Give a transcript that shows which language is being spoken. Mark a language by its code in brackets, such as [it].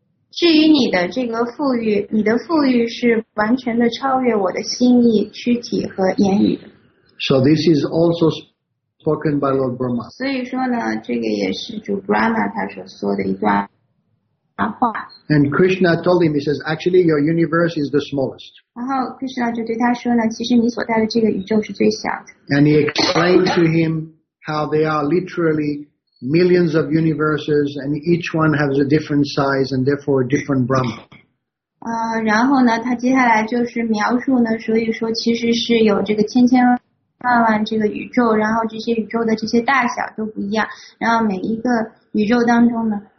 [zh] 至于你的这个富裕，你的富裕是完全的超越我的心意、躯体和言语。 [en] So this is also spoken by Lord Brahma. [zh] 所以说呢，这个也是主 Brahma 他所说的一段话。 [en] And Krishna told him, he says, actually, your universe is the smallest. [zh] 然后 Krishna 就对他说呢，其实你所在的这个宇宙是最小的。 [en] And he explained to him how there are literally millions of universes, and each one has a different size, and therefore a different Brahma. [zh] 然后呢，他接下来就是描述呢，所以说其实是有这个千千万万这个宇宙，然后这些宇宙的这些大小都不一样，然后每一个宇宙当中呢。